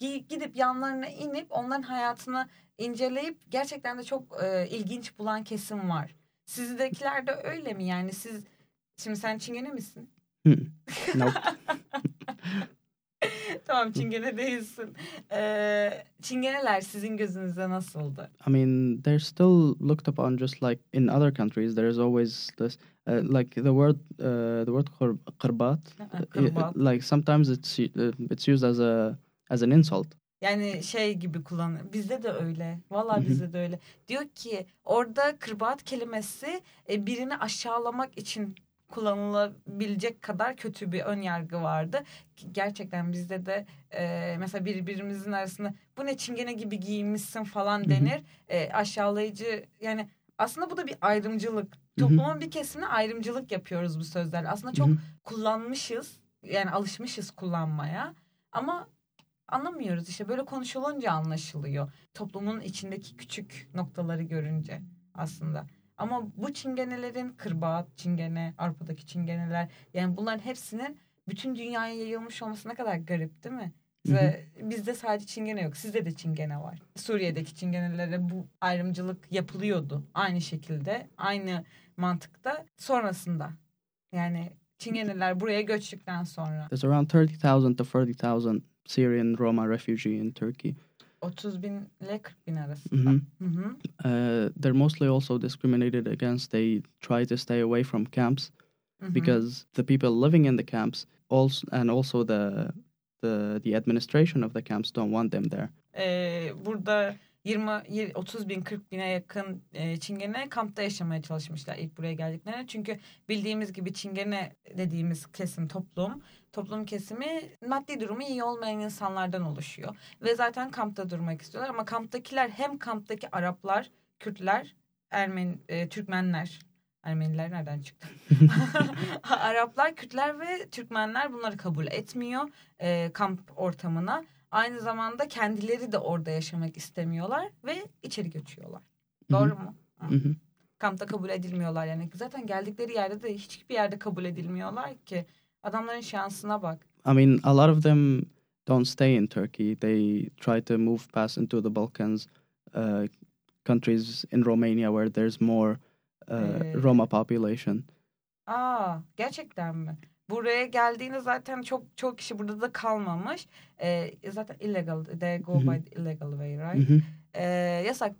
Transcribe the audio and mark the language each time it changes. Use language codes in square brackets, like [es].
[tr] Gidip yanlarına inip onların hayatını inceleyip gerçekten de çok ilginç bulan kesim var. Sizdekiler de öyle mi yani siz şimdi sen çingene misin? Tamam çingene değilsin. Çingeneler sizin gözünüzde nasıldı? [en] I mean, they're still looked upon just like in other countries. There is always this, like the word kırbaat, [tr] Kırbaat. [en] like sometimes it's used as an insult. [tr] Yani şey gibi kullanır. Bizde de öyle. Vallahi bizde de öyle. Diyor ki orada kırbaat kelimesi birini aşağılamak için kullanılabilecek kadar kötü bir ön yargı vardı. Gerçekten bizde de mesela birbirimizin arasında bu ne çingene gibi giyinmişsin falan denir. Aşağılayıcı yani aslında bu da bir ayrımcılık. Toplumun bir kesimine ayrımcılık yapıyoruz bu sözlerle. Aslında çok kullanmışız yani alışmışız kullanmaya ama anlamıyoruz işte böyle konuşulunca anlaşılıyor. Toplumun içindeki küçük noktaları görünce aslında. Ama bu çingenelerin kırbaat, çingene, Avrupa'daki çingeneler yani bunların hepsinin bütün dünyaya yayılmış olması ne kadar garip değil mi? Bizde sadece çingene yok, sizde de çingene var. Suriye'deki çingenelere bu ayrımcılık yapılıyordu aynı şekilde, aynı mantıkta. Sonrasında yani çingeneler buraya göçtükten sonra. [en] There's around 30,000 to 40,000 Syrian Roma refugee in Turkey. [tr] 30 bin ile 40 bin arasında. [en] They're mostly also discriminated against. They try to stay away from camps because the people living in the camps also and also the the administration of the camps don't want them there. [tr] Burada 30 bin 40 bine yakın Çingene kampta yaşamaya çalışmışlar ilk buraya geldiklerine. Çünkü bildiğimiz gibi Çingene dediğimiz kesim toplum kesimi maddi durumu iyi olmayan insanlardan oluşuyor. Ve zaten kampta durmak istiyorlar ama kamptakiler hem kamptaki Araplar, Kürtler, Türkmenler. Ermeniler nereden çıktı? Araplar, Kürtler ve Türkmenler bunları kabul etmiyor kamp ortamına. Aynı zamanda kendileri de orada yaşamak istemiyorlar ve içeri göçüyorlar. Doğru mu? Kampta kabul edilmiyorlar yani. Zaten geldikleri yerde de hiçbir yerde kabul edilmiyorlar ki. Adamların şansına bak. [en] I mean, a lot of them don't stay in Turkey. They try to move past into the Balkans countries in Romania where there's more Roma population. [tr] Aa, gerçekten mi? Buraya geldiğinde zaten çok kişi burada da kalmamış. Zaten [en] illegal, they go by the illegal way, right?